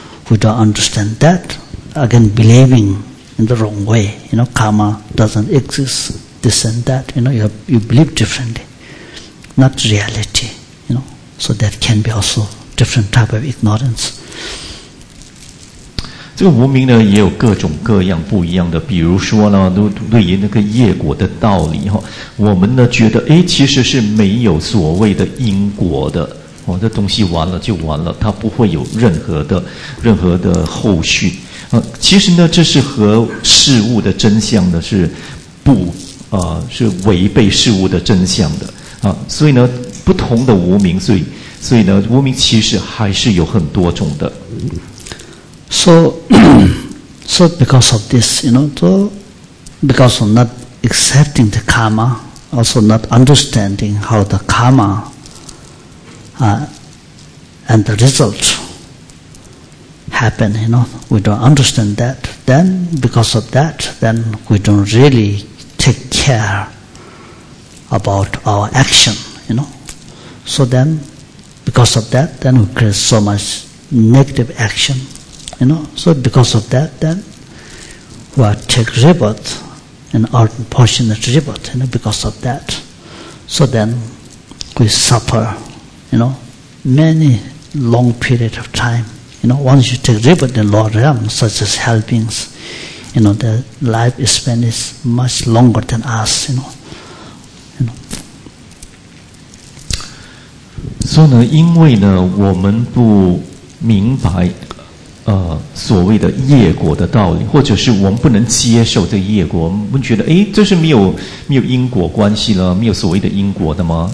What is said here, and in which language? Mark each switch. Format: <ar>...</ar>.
<en>We don't understand that. Again, believing in the wrong way, you know, karma doesn't exist, this and that, you know, you believe differently, not reality, you know. So that can be also different type of ignorance.</en> <zh>这个无明呢也有各种各样不一样的，比如说呢，对于那个业果的道理哈，我们呢觉得，哎，其实是没有所谓的因果的，哦，这东西完了就完了，它不会有任何的后续，其实呢，这是和事物的真相呢是不是违背事物的真相的啊，所以呢，不同的无明，所以呢，无明其实还是有很多种的。</zh> <en>So because of this, you know, so because of not accepting the karma, also not understanding how the karma and the result happen, you know, we don't understand that. Then because of that, then we don't really take care about our action, you know. So then because of that, then we create so much negative action. You know, so because of that, then we are take rebirth, an unfortunate rebirth, you know, because of that. So then we suffer, you know, many long period of time. You know, once you take rebirth in lower realm, such as hell beings, you know, their lifespan is much longer than us, you know.</en> <zh>So, 呢，因为呢，我们不明白。所谓的业果的道理，或者是我们不能接受这个业果，我们觉得哎，这是没有因果关系了，没有所谓的因果的吗？</zh>